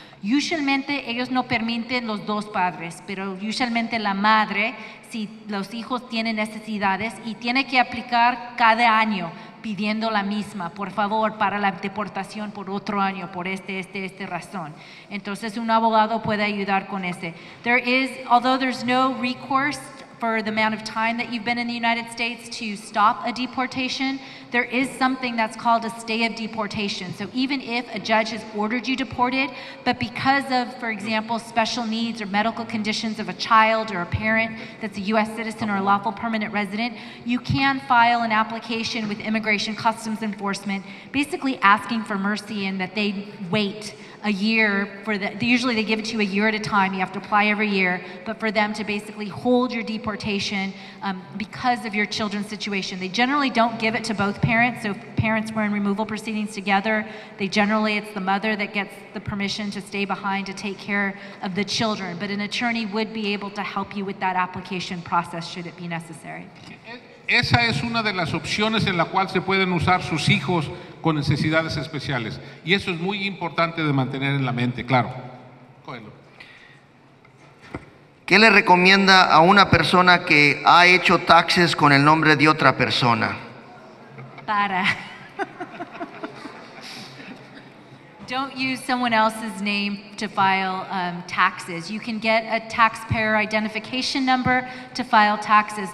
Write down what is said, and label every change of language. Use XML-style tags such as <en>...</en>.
<es>Usualmente ellos no permiten los dos padres, pero usualmente la madre, si los hijos tienen necesidades, y tiene que aplicar cada año pidiendo la misma, por favor, para la deportación por otro año, por esta razón. Entonces, un abogado puede ayudar con ese.</es> <en>There is, although there's no recourse for the amount of time that you've been in the United States to stop a deportation, there is something that's called a stay of deportation. So even if a judge has ordered you deported, but because of, for example, special needs or medical conditions of a child or a parent that's a U.S. citizen or a lawful permanent resident, you can file an application with Immigration Customs Enforcement, basically asking for mercy and that they wait a year for the, usually they give it to you a year at a time, you have to apply every year, but for them to basically hold your deportation because of your children's situation. They generally don't give it to both parents, so if parents were in removal proceedings together, they generally, it's the mother that gets the permission to stay behind to take care of the children, but an attorney would be able to help you with that application process should it be necessary.</en> <es>Esa es una de las opciones en la cual se pueden usar sus hijos con necesidades especiales. Y eso es muy importante de mantener en la mente, claro. Coelho. ¿Qué le recomienda a una persona que ha hecho taxes con el nombre de otra persona? Para.</es> <en>Don't use someone else's name to file taxes. You can get a taxpayer identification number to file taxes.</en>